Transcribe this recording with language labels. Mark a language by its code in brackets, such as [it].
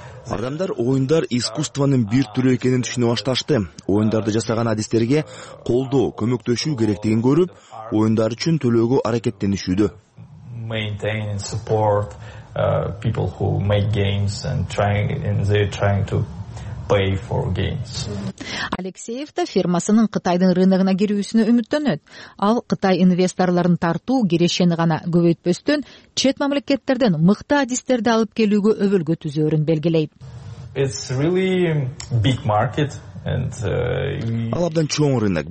[ky] Адамдар оюндар искусствонун бир түрү экенин түшүнө башташты. Оюндарды жасаган адистерге колдоо, көмөктөшүү керектигин көрүп, оюндар үчүн төлөөгө аракеттенишүүдө. [en] maintain and support people who make games and they're trying to pay for games. [ky] Алексеев та фирмасынын Кытайдын рыногуна кирүүсүнө үмүттөнөт. Ал Кытай инвесторлорун тартуу кирешени гана көбөйтпөстөн, чет мамлекеттерден мыкты адистерди алып келүүгө өбөлгө түзөрүн белгилейт. [en] It's really big market. [ky] Ал абдан чоң рынок.